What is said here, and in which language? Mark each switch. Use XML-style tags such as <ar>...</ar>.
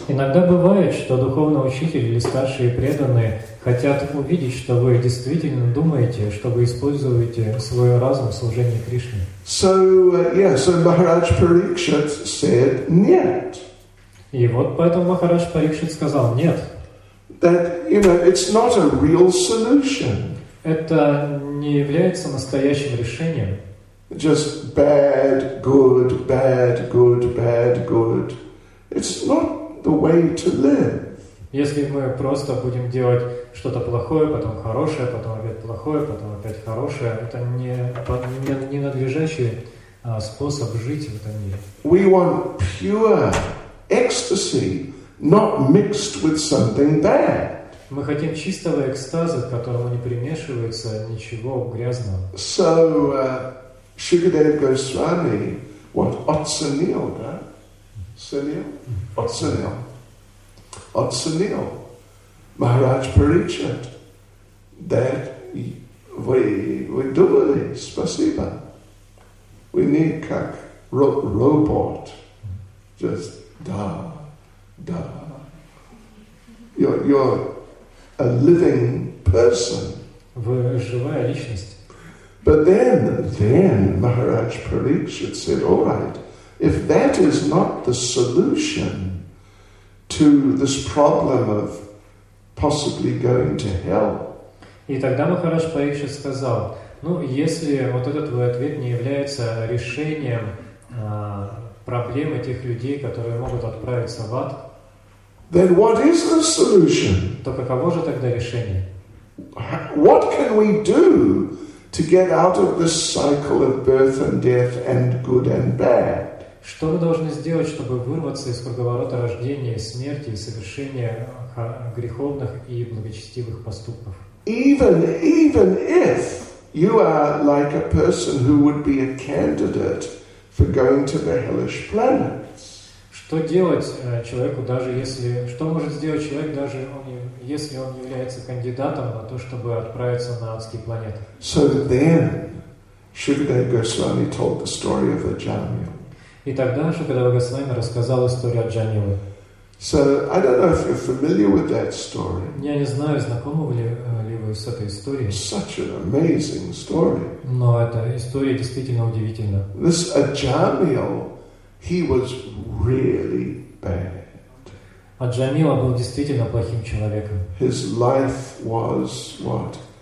<ru>Иногда бывает, что духовный учитель или старшие преданные хотят увидеть, что вы действительно думаете, что вы используете свой разум в служении Кришне.</ru> <en>So, yeah, so Maharaj Parikshit said,</en> <ru>нет. И вот поэтому Махарадж Парикшит сказал, нет.</ru> <en>That, you know, it's not a real solution.</en> <ru>Это не является настоящим решением.</ru> <en>Just bad, good, bad, good, bad, good. It's not the way to live.</en> <ru>Если мы просто будем делать что-то плохое, потом хорошее, потом опять плохое, потом опять хорошее, это не надлежащий способ жить в этом мире.</ru> <en>We want pure ecstasy, not mixed with something bad.</en> <ru>Мы хотим чистого экстаза, к которому не примешивается ничего грязного.</ru> <en>So, Shukadev Goswami, what Otsanil,</en> <ru>да?</ru> <en>Sunil? Otsanil. Otsanil. Maharaj Parikshit. That we do this,</en> <ru>спасибо.</ru> <en>We need как robot. Just da, da. You're a living person.</en> <ru>Вы живая личность.</ru> <en>But then Maharaj Parikshit said, all right, if that is not the solution to this problem of possibly going to hell.</en> <ru>И тогда Махарадж Парикшит сказал, ну, если вот этот твой ответ не является решением проблемы тех людей, которые могут отправиться в ад,</ru> <en>then what is the solution?</en> <ru>То каково же тогда решение?</ru> <en>What can we do to get out of this cycle of birth and death and good and bad?</en> <ru>Что мы должны сделать, чтобы вырваться из круговорота рождения, смерти и совершения греховных и благочестивых поступков?</ru> <en>Even if you are like a person who would be a candidate for going to the hellish planets.</en> <ru>Что делать человеку, даже если что может сделать человек, даже если он является кандидатом на то, чтобы отправиться на адские планеты?</ru> <en>So then, Shukadev Goswami told the story of Ajamila.</en> <ru>И тогда Шукадева Госвами рассказал историю Аджамилы.</ru> <en>So, I don't know if you're familiar with that story.</en> <ru>Я не знаю, знакомы ли вы с этой историей.</ru> <en>Such an amazing story.</en> <ru>Но эта история действительно удивительна.</ru> <en>This Ajamil, he was really bad.</en> <ru>Аджамила был действительно плохим человеком.</ru> <en>His life was what?</en>